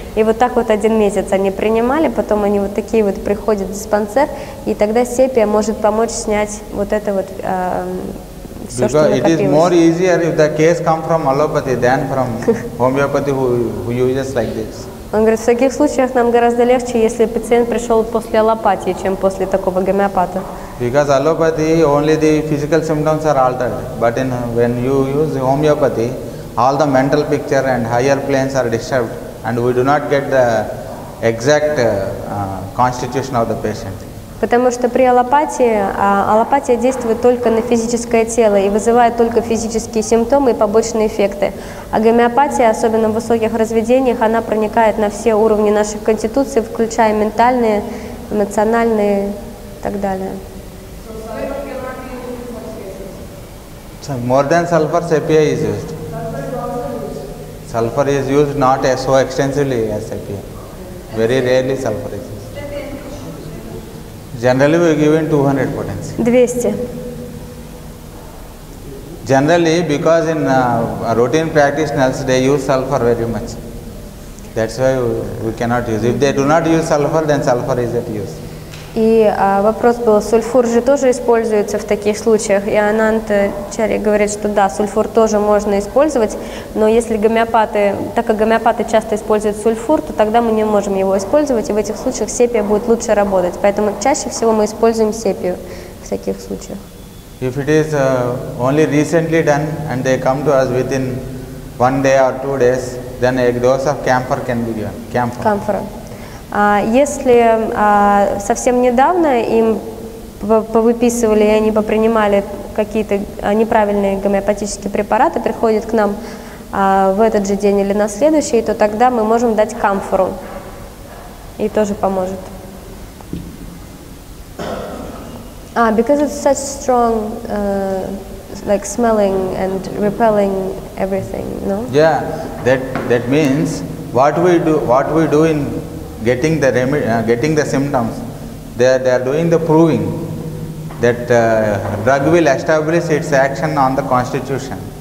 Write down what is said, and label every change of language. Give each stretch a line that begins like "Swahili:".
Russian: И вот так вот один месяц они принимали, потом они вот такие вот приходят в диспансер, и тогда сепия может помочь снять вот это вот.
English: Because it is more easier if the case come from allopathy than from homeopathy who uses like this.
Russian: Он говорит, в таких случаях нам гораздо легче, если пациент пришел после аллопатии, чем после такого гомеопата.
English: Because allopathy only the physical symptoms are altered, but in when you use homeopathy, all the mental picture and higher planes are disturbed, and we do not get the exact constitution of the patient.
Russian: Потому что при аллопатии, аллопатия действует только на физическое тело и вызывает только физические симптомы и побочные эффекты. А гомеопатия, особенно в высоких разведениях, она проникает на все уровни наших конституций, включая ментальные, эмоциональные и так далее.
English: More than sulfur, sepia is used. Sulfur is used not as so extensively as sepia. Very rarely sulfur is used. Generally we give in 200 potency. 200. Generally, because in routine practitioners they use sulfur very much. That's why we cannot use. If they do not use sulfur, then sulfur is at use.
Russian: И вопрос был, сульфур же тоже используется в таких случаях. И Ананд Чари говорит, что да, сульфур тоже можно использовать, но если гомеопаты, так как гомеопаты часто используют сульфур, то тогда мы не можем его использовать, и в этих случаях сепия будет лучше работать. Поэтому чаще всего мы используем сепию в таких случаях.
English: If it is only recently done and they come to us within one day or two days, then a dose of camphor can be given. Camphor.
Russian: Если совсем недавно им повыписывали, и они попринимали какие-то неправильные гомеопатические препараты, приходят к нам в этот же день или на следующий, то тогда мы можем дать камфору, и тоже поможет.
English: Because it's such strong, like smelling and repelling everything, no? Yeah, that means what we do in getting the getting the symptoms, they are doing the proving that drug will establish its action on the constitution.